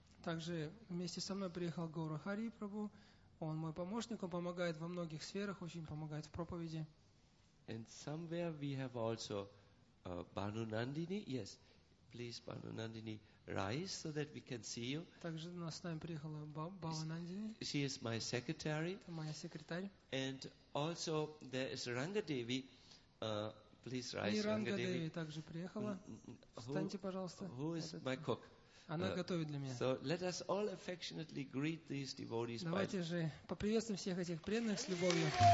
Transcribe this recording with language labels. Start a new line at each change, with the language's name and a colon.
Russian: Также вместе со мной приехал Гаурахари Прабху. Он мой помощник, он помогает во многих сферах, очень помогает в проповеди.
English: And somewhere we have also Banu Nandini. Yes, please, Banu Nandini, rise so that we can see you.
Russian: Также у нас с нами приехала Баба Нандини.
English: She is my secretary.
Russian: Это моя секретарь.
English: And also there is Ranga Devi. Please rise,
Russian: Ranga Devi. Также приехала. Встаньте, пожалуйста.
English: Who is my cook?
Russian: Она готовит для меня.
English: So let us all affectionately greet these devotees.
Russian: Давайте же поприветствуем всех этих преданных с любовью.